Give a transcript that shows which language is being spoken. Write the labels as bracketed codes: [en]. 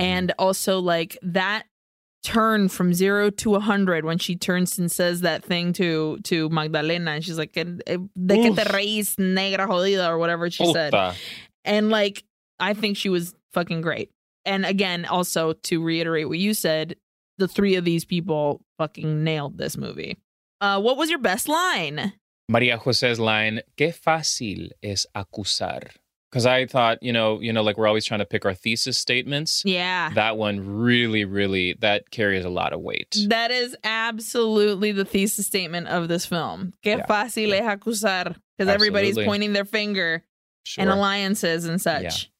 [en] And also like that turn from 0 to 100 when she turns and says that thing to Magdalena. And she's like, [es] de que te reís, negra jodida, [en] or whatever she said. And like, I think she was fucking great. And again, also to reiterate what you said, the three of these people fucking nailed this movie. What was your best line? Maria Jose's line, [es] qué fácil es acusar. [en] Because I thought, you know, like we're always trying to pick our thesis statements. Yeah. That one really, really, that carries a lot of weight. That is absolutely the thesis statement of this film. [es] Qué fácil es acusar. [en] Because everybody's pointing their finger and alliances and such. Yeah.